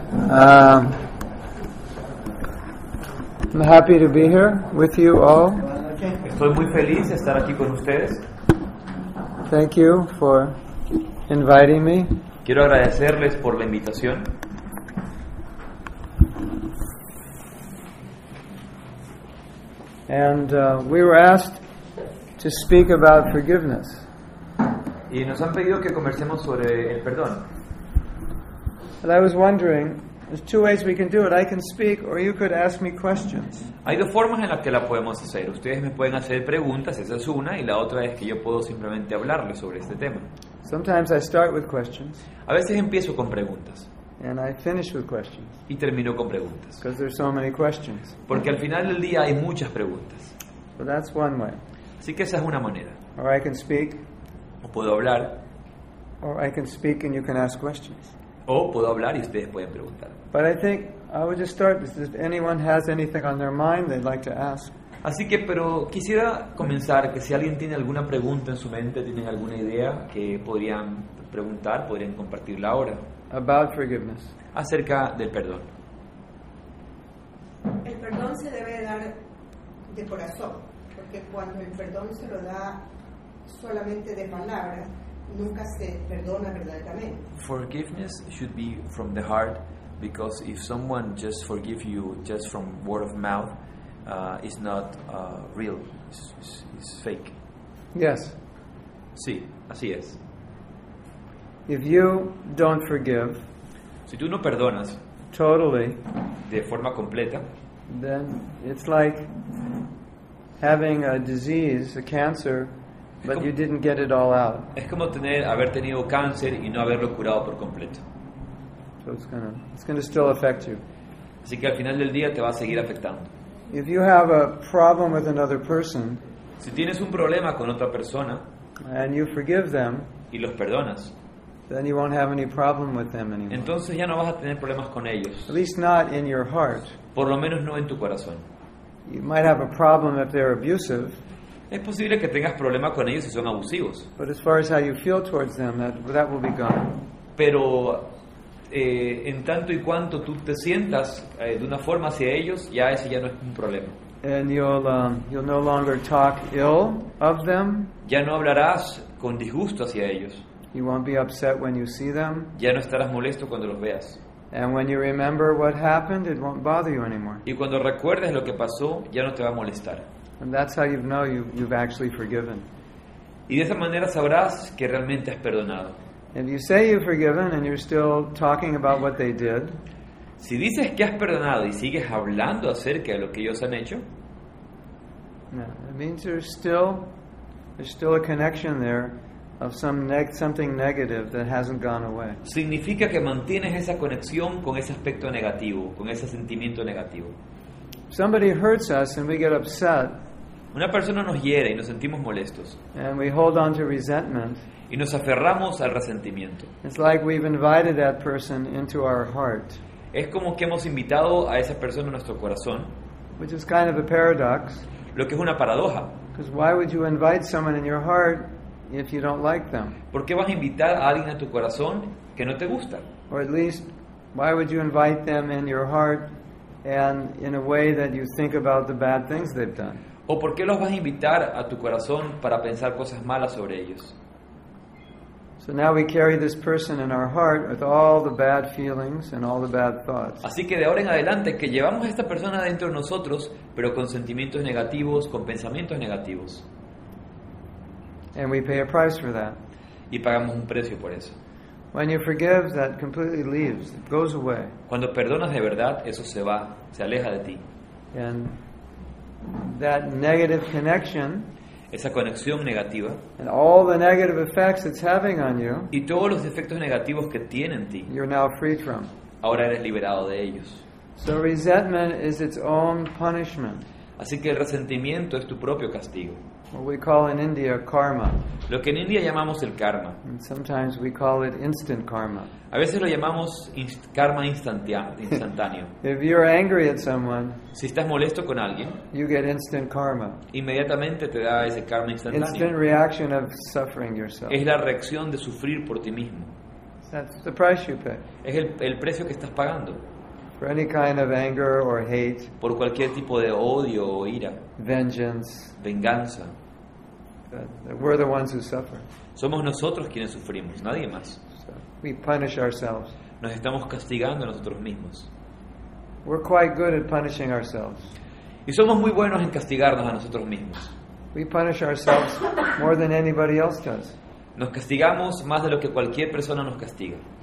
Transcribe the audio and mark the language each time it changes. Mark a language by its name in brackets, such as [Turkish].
[English] I'm happy to be here with you all. [Spanish] Estoy muy feliz de estar aquí con ustedes. [English] Thank you for inviting me. [Spanish] Quiero agradecerles por la invitación. [English] And we were asked to speak about forgiveness. [Spanish] Y nos han pedido que conversemos sobre el perdón. [English] But I was wondering, there's two ways we can do it. I can speak, or you could ask me questions. [Spanish] Hay dos formas en las que la podemos hacer. Ustedes me pueden hacer preguntas, esa es una, y la otra es que yo puedo simplemente hablarles sobre este tema. [English] Sometimes I start with questions. [Spanish] A veces empiezo con preguntas. [English] And I finish with questions. [Spanish] Y termino con preguntas. [English] Because there's so many questions. [Spanish] Porque al final del día hay muchas preguntas. [English] So that's one way. [Spanish] Así que esa es una manera. [English] Or I can speak. [Spanish] O puedo hablar. [English] Or I can speak and you can ask questions. [Spanish] O puedo hablar y ustedes pueden preguntar. [English] But I think I would just start this if anyone has anything on their mind they'd like to ask. [Spanish] Así que, pero quisiera comenzar que si alguien tiene alguna pregunta en su mente, tienen alguna idea que podrían preguntar, podrían compartirla ahora. [English] About forgiveness. [Spanish] Acerca del perdón. El perdón se debe dar de corazón, porque cuando el perdón se lo da solamente de palabra, nunca se perdona verdaderamente. [English] Forgiveness should be from the heart, because if someone just forgive you just from word of mouth, it's not real, it's fake. Yes. [Spanish] Sí, así es. [English] If you don't forgive, [Spanish] si tú no perdonas, [English] totally, [Spanish] de forma completa, [English] then it's like having a disease, a cancer, but you didn't get it all out. [Spanish] Es como haber tenido cáncer y no haberlo curado por completo. [English] So it's gonna still affect you. [Spanish] Así que al final del día te va a seguir afectando. [English] If you have a problem with another person, [Spanish] si tienes un problema con otra persona, [English] and you forgive them, [Spanish] y los perdonas, [English] then you won't have any problem with them anymore. [Spanish] Entonces ya no vas a tener problemas con ellos. [English] At least not in your heart. [Spanish] Por lo menos no en tu corazón. [English] You might have a problem if they're abusive. [Spanish] Es posible que tengas problemas con ellos si son abusivos. [English] But as far as how you feel towards them, that will be gone. [Spanish] Pero en tanto y cuanto tú te sientas de una forma hacia ellos, ya ese ya no es un problema. [English] And you'll no longer talk ill of them. [Spanish] Ya no hablarás con disgusto hacia ellos. [English] You won't be upset when you see them. [Spanish] Ya no estarás molesto cuando los veas. [English] And when you remember what happened, it won't bother you anymore. [Spanish] Y cuando recuerdes lo que pasó, ya no te va a molestar. [English] And that's how you know you've actually forgiven. [Spanish] Y de esa manera sabrás que realmente has perdonado. [English] If you say you've forgiven and you're still talking about what they did, [Spanish] si dices que has perdonado y sigues hablando acerca de lo que ellos han hecho, [English] yeah, it means there's still a connection there of something negative that hasn't gone away. [Spanish] Significa que mantienes esa conexión con ese aspecto negativo, con ese sentimiento negativo. [English] Somebody hurts us and we get upset. [Spanish] Una persona nos hiere y nos sentimos molestos. [English] And we hold on to resentment. [Spanish] Y nos aferramos al resentimiento. [English] It's like we've invited that person into our heart. [Spanish] Es como que hemos invitado a esa persona a nuestro corazón. [English] Which is kind of a paradox. [Spanish] Lo que es una paradoja. [English] Because why would you invite someone in your heart if you don't like them? [Spanish] ¿Por qué vas a invitar a alguien a tu corazón que no te gusta? [English] Or at least, why would you invite them in your heart and in a way that you think about the bad things they've done? [Spanish] ¿O por qué los vas a invitar a tu corazón para pensar cosas malas sobre ellos? [English] So now we carry this person in our heart with all the bad feelings and all the bad thoughts. [Spanish] Así que de ahora en adelante que llevamos a esta persona dentro de nosotros, pero con sentimientos negativos, con pensamientos negativos. [English] And we pay a price for that. [Spanish] Y pagamos un precio por eso. [English] When you forgive, that completely leaves. It goes away. [Spanish] Cuando perdonas de verdad, eso se va, se aleja de ti. [English] And that negative connection, [Spanish] esa conexión negativa, [English] and all the negative effects it's having on you, [Spanish] y todos los efectos negativos que tiene en ti, [English] you're now freed from. [Spanish] Ahora eres liberado de ellos. [English] So resentment is its own punishment. [Spanish] Así que el resentimiento es tu propio castigo. [English] What we call in India karma. [Spanish] Lo que en India llamamos el karma. [English] And sometimes we call it instant karma. [Spanish] A veces lo llamamos karma instantáneo. [English] If you're angry at someone, [Spanish] si estás molesto con alguien, [English] you get instant karma. [Spanish] Inmediatamente te da ese karma instantáneo. [English] Instant reaction of suffering yourself. [Spanish] Es la reacción de sufrir por ti mismo. [English] That's the price you pay. [Spanish] Es el precio que estás pagando. [English] For any kind of anger or hate, [Spanish] por cualquier tipo de odio o ira, [English] vengeance, [Spanish] venganza, [English] we're the ones who suffer. [Spanish] Somos nosotros quienes sufrimos, nadie más. [English] So we punish ourselves. [Spanish] Nos estamos castigando a nosotros mismos. [English] We're quite good at punishing ourselves. [Spanish] Y somos muy buenos en castigarnos a nosotros mismos. [English] We punish ourselves more than anybody else does. [Spanish] Nos castigamos más de lo que cualquier persona nos castiga.